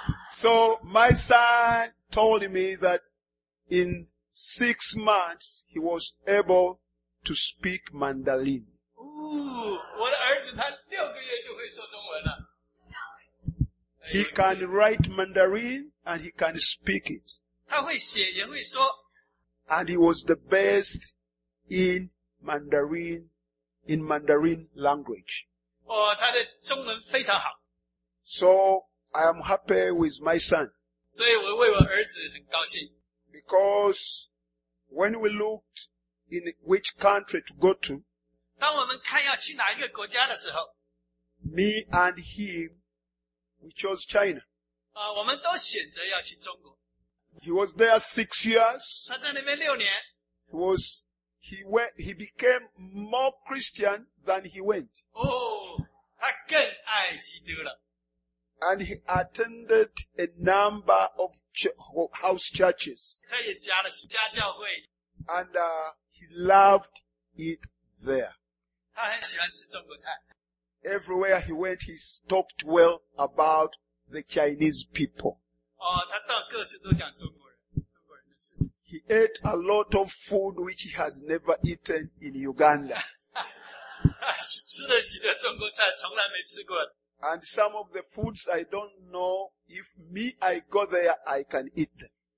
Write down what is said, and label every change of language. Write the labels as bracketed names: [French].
[English] So, my son told me that in 6 months, he was able to speak Mandarin. [Chinese] Ooh, 我的儿子他六个月就会说中文了。 [English] He can write Mandarin and he can speak it. [Chinese] 他会写也会说。 [English] And he was the best in Mandarin language. [Chinese] 哦，他的中文非常好。 [English] So, I am happy with my son. [Chinese] 所以我为我儿子很高兴。 [English] Because when we looked in which country to go to, [Chinese] 当我们看要去哪一个国家的时候, [English] me and him, we chose China. [Chinese] 我们都选择要去中国。 [English] He was there 6 years. [Chinese] 他在那边六年。 [English] He became more Christian than he went. [Chinese] 哦, 他更爱基督了。 [English] And he attended a number of house churches. [Chinese] 他也加了家教会。 [English] And, he loved it there. [Chinese] 他很喜欢吃中国菜。 [English] Everywhere he went, he talked well about the Chinese people. [Chinese] 哦，他到各处都讲中国人，中国人的事情。 [English] He ate a lot of food which he has never eaten in Uganda. [Chinese] 吃了许多中国菜，从来没吃过。 [English] And some of the foods I don't know if me, I go there, I can eat them.